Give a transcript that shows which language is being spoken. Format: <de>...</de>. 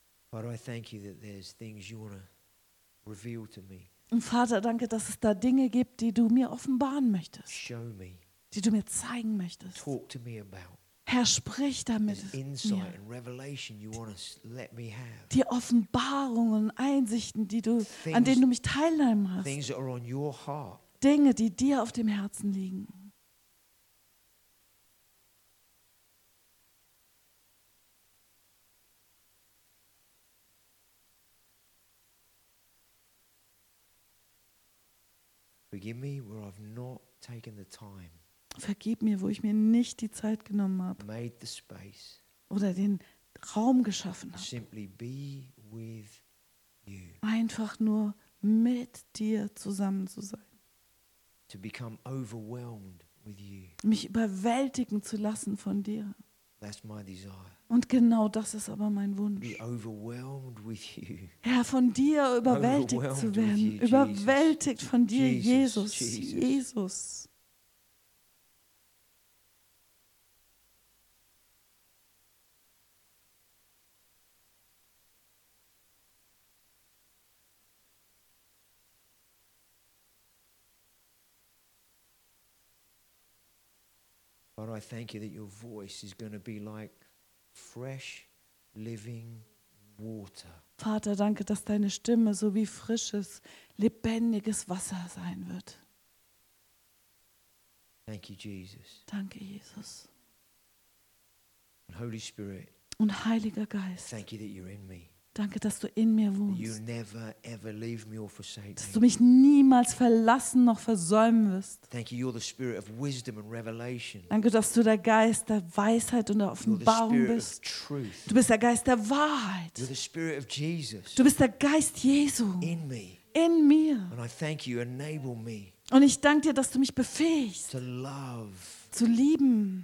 <en>Father, I thank you that there's things you want to reveal to me.</en> <de>Und Vater, danke, dass es da Dinge gibt, die du mir offenbaren möchtest.</de> <en>Show me.</en> <de>Die du mir zeigen möchtest.</de> <en>Talk to me about.</en> <de>Herr, sprich damit mir.</de> <en>Insight and revelation you want to let me have.</en> <de>Die Offenbarungen und Einsichten, die du,</de> <en>things,</en> <de>an denen du mich teilnehmen hast.</de> <en>Things that are on your heart.</en> <de>Dinge, die dir auf dem Herzen liegen.</de> <en>Forgive me where I've not taken the time.</en> <de>Vergib mir, wo ich mir nicht die Zeit genommen habe.</de> <en>Made the space.</en> <de>Oder den Raum geschaffen habe.</de> <en>Simply be with you.</en> <de>Einfach nur mit dir zusammen zu sein.</de> <en>To become overwhelmed with you.</en> <de>Mich überwältigen zu lassen von dir.</de> <en>That's my desire.</en> <de>Und genau das ist aber mein Wunsch.</de> <en>Be overwhelmed with you.</en> <de>Herr, von dir überwältigt zu werden.</de> <en>You,</en> <de>überwältigt von dir, Jesus. Jesus.</de> <en>Jesus. Lord, I thank you that your voice is going to be like fresh living water.</en> <de>Vater, danke, dass deine Stimme so wie frisches, lebendiges Wasser sein wird.</de> <en>Thank you, Jesus.</en> <de>Danke, Jesus.</de> <en>And Holy Spirit.</en> <de>Und Heiliger Geist.</de> <en>Thank you that you're in me.</en> <de>Danke, dass du in mir wohnst.</de> <en>You never ever leave me or forsake me.</en> <de>Dass du mich niemals verlassen noch versäumen wirst.</de> <en>Thank you, you're the spirit of wisdom and revelation.</en> <de>Danke, dass du der Geist der Weisheit und der Offenbarung bist.</de> <en>You're the spirit of truth.</en> <de>Du bist der Geist der Wahrheit.</de> <en>You're the spirit of Jesus.</en> <de>Du bist der Geist Jesu.</de> <en>In me.</en> <de>In mir.</de> <en>And I thank you, enable me.</en> <de>Und ich danke dir, dass du mich befähigst.</de> <en>To love.</en> <de>Zu lieben.</de>